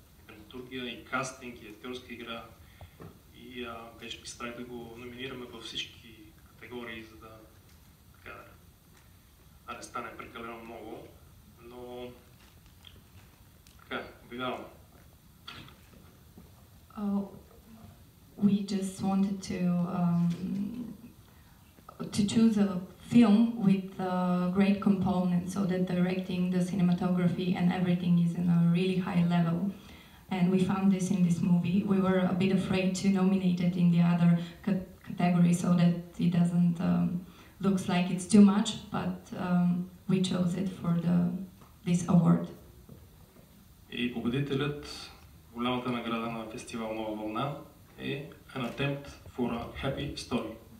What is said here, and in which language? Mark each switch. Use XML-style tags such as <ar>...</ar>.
<bg>И драматургия, и кастинг, и актьорска игра. И беше ми страх да го номинираме във всички категории, за да, така, да не стане прекалено много, но така, обявявам.</bg> <en>We just wanted to choose a film with great components so that the directing, the cinematography and everything is in a really high level. And we found this in this movie. We were a bit afraid to nominate it in the other category so that it doesn't looks like it's too much, but we chose it for this award.</en> <bg>И победителят, голямата награда на фестивал Нова вълна е An Attempt for a Happy Story.</bg>